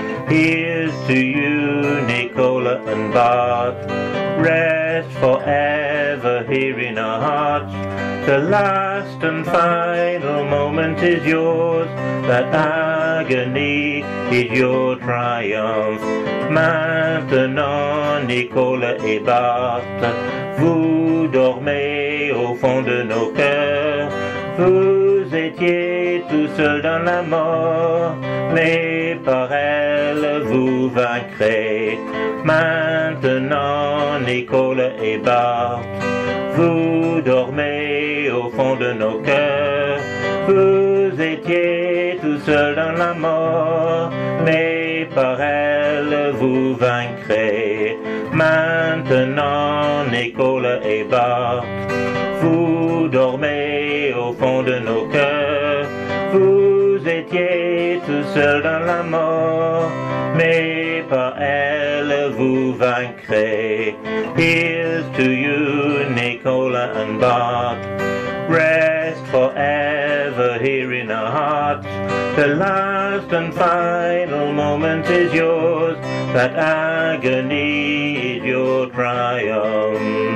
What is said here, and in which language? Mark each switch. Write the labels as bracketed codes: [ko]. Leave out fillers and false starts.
[en] Here's to you, Nicola and Bart. Rest forever here in our hearts. The last and final moment is yours. That agony is your triumph. [fr] Maintenant, Nicola et Bart, vous dormez au fond de nos cœurs. Vous étiez tout seul dans la mort, mais par elle vous vaincrez. Maintenant, Nicola et Bart, vous dormez au fond de nos cœurs. Vous étiez tout seul dans la mort, mais par elle vous vaincrez. Maintenant, Nicola et Bart, vous dormez au fond de nos cœurs. Vous étiez tout seul dans la mort, mais par elle vous vaincrez. [en] Here's to you, Nicola and Bart. Rest forever here in our hearts. The last and final moment is yours. That agony is your triumph.